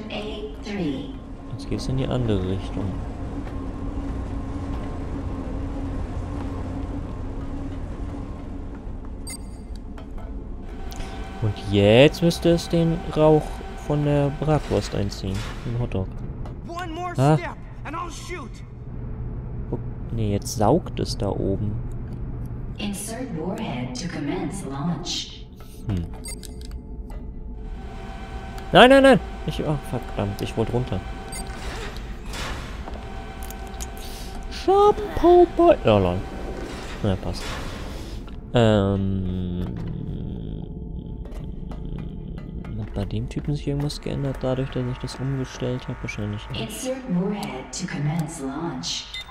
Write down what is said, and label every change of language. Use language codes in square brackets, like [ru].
[de] A3. Jetzt geht's in die andere Richtung. Und jetzt müsste es den Rauch von der Bratwurst einziehen. Den Hotdog. [en] One more step and I'll shoot. [de] Oh, nee, jetzt saugt es da oben. [en] Insert warhead to commence launch. [de] Nein, nein, nein! Ich. Oh, verdammt, ich wollte runter. Shampoo Boy. Oh, lol. Na, ja, passt. Hat bei dem Typen sich irgendwas geändert, dadurch, dass ich das umgestellt habe? Wahrscheinlich nicht. [en] Insert warhead to commence launch.